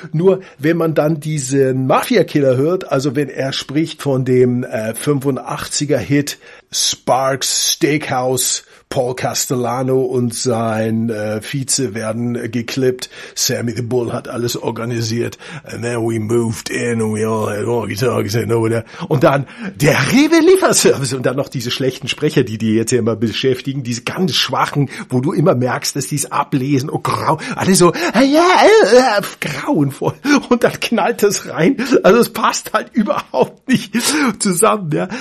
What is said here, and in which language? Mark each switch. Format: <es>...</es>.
<de>Nur wenn man dann diesen Mafia-Killer hört, also wenn er spricht von dem 85er-Hit Sparks Steakhouse Paul Castellano und sein Vize werden geklippt. Sammy the Bull hat alles organisiert.</de> <en>And then we moved in and we all had walkie-talkies and over there.</en> <de>Und dann der Rewe-Lieferservice und dann noch diese schlechten Sprecher, die die jetzt hier immer beschäftigen, diese ganz schwachen, wo du immer merkst, dass die es ablesen. Oh, grau. Alle so, grauenvoll. Und dann knallt das rein. Also es passt halt überhaupt nicht zusammen. Ja.</de>